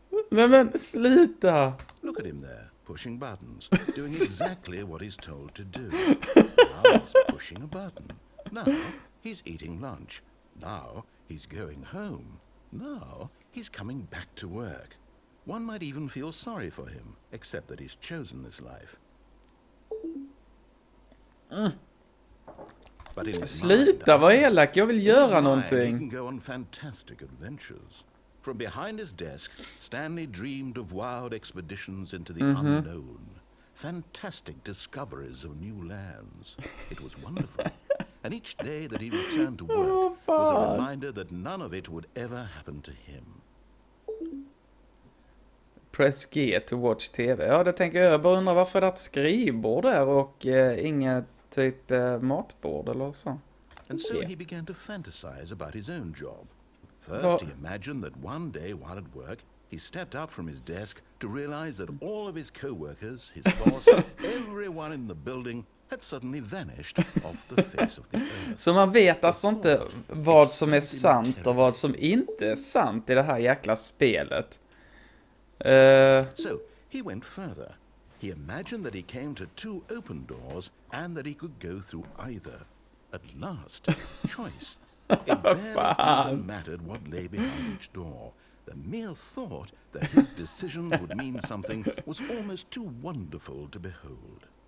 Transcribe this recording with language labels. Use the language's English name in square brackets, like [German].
[Swedish] Men sluta. [English] Look at him there, pushing buttons, doing exactly what he's told to do. Now he's pushing a button. Now he's eating lunch. Now he's going home. Now he's coming back to work. One might even feel sorry for him, except that he's chosen this life. [Swedish] But in sluta, vad elak, jag vill göra någonting. [English] He can go on fantastic adventures. From behind his desk, Stanley dreamed of wild expeditions into the unknown. Fantastic discoveries of new lands. It was wonderful. And each day that he returned to work was a reminder that none of it would ever happen to him. Press G to watch TV. [Swedish] Ja, det tänker jag. Jag bara undrar varför det är ett skrivbord där och inget typ matbord eller så. [English] And so he began to fantasize about his own job. First, he imagined that one day while at work, he stepped up from his desk to realize that all of his co-workers, his boss, everyone in the building had suddenly vanished off the face of the earth. [Swedish] Så man vet alltså inte vad som är sant och vad som inte är sant i det här jäkla spelet. [English] So, he went further. He imagined that he came to two open doors and that he could go through either. At last, choice. It barely even mattered what lay behind each door. The mere thought that his decisions would mean something was almost too wonderful to behold.